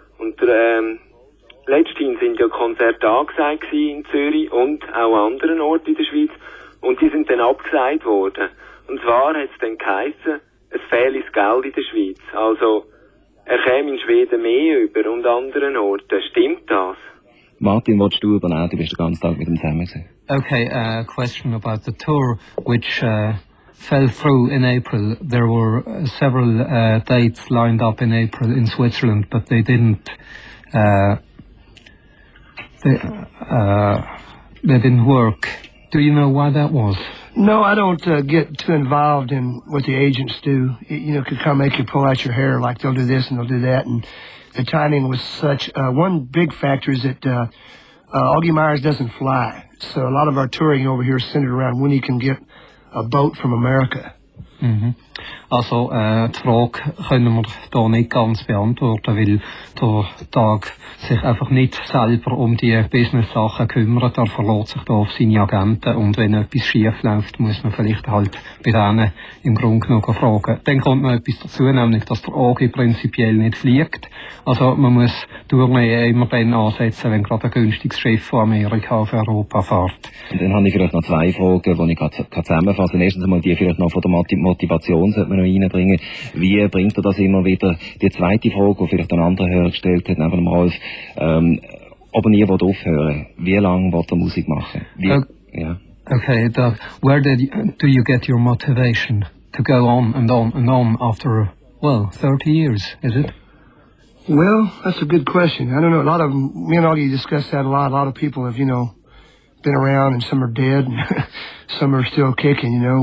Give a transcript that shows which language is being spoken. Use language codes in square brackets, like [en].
[de] Und letzthin sind ja Konzerte angesagt in Zürich und auch an anderen Orten in der Schweiz. Und die sind dann abgesagt worden. Und zwar hat es dann geheissen, es fehle das Geld in der Schweiz. Also er käme in Schweden mehr über und an anderen Orten. Stimmt das? [en] Martin, what's do you do? You're the whole day with him. Okay, a question about the tour, which fell through in April. There were several dates lined up in April in Switzerland, but they didn't. They didn't work. Do you know why that was? No, I don't get too involved in what the agents do. It, you know, could kind of make you pull out your hair, like they'll do this and they'll do that, and the timing was such, one big factor is that Augie Myers doesn't fly. So a lot of our touring over here is centered around when he can get a boat from America. Mm-hmm. [de] Also die Frage können wir da nicht ganz beantworten, weil der Doug sich einfach nicht selber um die Business-Sachen kümmert. Er verlässt sich da auf seine Agenten und wenn etwas schief läuft, muss man vielleicht halt bei denen im Grunde genommen fragen. Dann kommt noch etwas dazu, nämlich dass der Augie prinzipiell nicht fliegt. Also man muss Tourneen immer dann ansetzen, wenn gerade ein günstiges Schiff von Amerika auf Europa fährt. Und dann habe ich vielleicht noch zwei Fragen, die ich kann zusammenfassen kann. Erstens mal die vielleicht noch von der Motivation. Sollte man noch reinbringen. Wie bringt er das immer wieder? Die zweite Frage, die vielleicht ein anderer Hörer gestellt hat, neben dem Rolf, ob er nie aufhören will. Wie lange will er Musik machen? [en] Okay, Doug, where do you get your motivation to go on and on and on after, well, 30 years, is it? Well, that's a good question. I don't know, a lot of, me and Augie discussed that a lot. A lot of people have, you know, been around and some are dead and some are still kicking, you know.